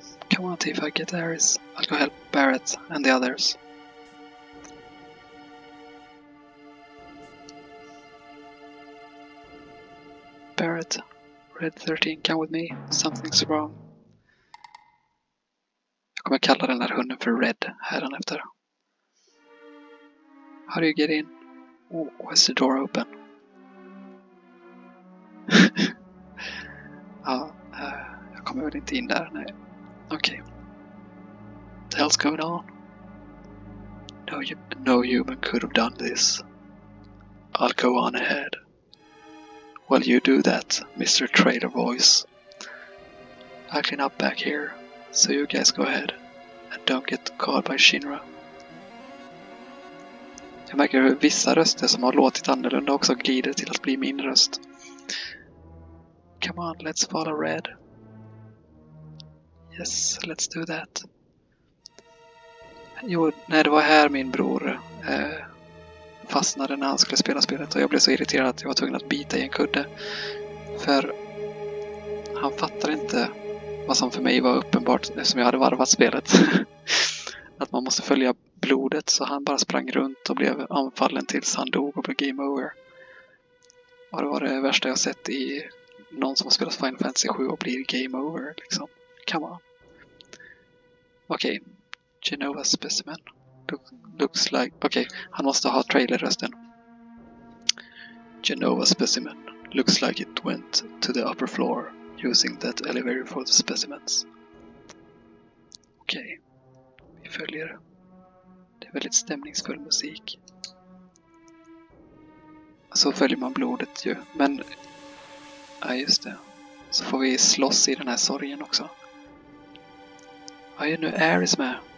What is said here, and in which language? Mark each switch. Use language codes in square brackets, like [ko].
[en] Come on, Tifa, get Aris. I'll go help Barrett and the others. Barrett, Red 13, come with me. Something's wrong. [sv] Jag kommer kalla den här hunden för Red hädanefter. [en] How do you get in? Oh, why is the door open? [sv] jag kommer väl inte in där, nej. [en] Okej. What the hell's going on? No human could have done this. I'll go on ahead. Well, you do that, Mr. Trader Voice. I'll clean up back here, so you guys go ahead and don't get caught by Shinra. [sv] Jag märker hur vissa röster som har låtit annorlunda också glider till att bli min röst. [en] Come on, let's follow Red. Yes, let's do that. [sv] Jo, när det var här min bror fastnade när han skulle spela spelet och jag blev så irriterad att jag var tvungen att bita i en kudde. För han fattade inte vad som för mig var uppenbart eftersom jag hade varvat spelet. Att man måste följa blodet, så han bara sprang runt och blev anfallen tills han dog och blev game over. Och det var det värsta jag sett i någon som har spelat Final Fantasy 7 och blir game over, liksom. [en] Come on. Okej. Okay. Genova specimen. Looks like... Okej, okay. [sv] Han måste ha trailerrösten. [en] Genova specimen. Looks like it went to the upper floor using that elevator for the specimens. [sv] Okej. Okay. Vi följer. Det är väldigt stämningsfull musik. Så följer man blodet ju. Men... Ja, just det. Så får vi slåss i den här sorgen också. Ja, nu Aris med.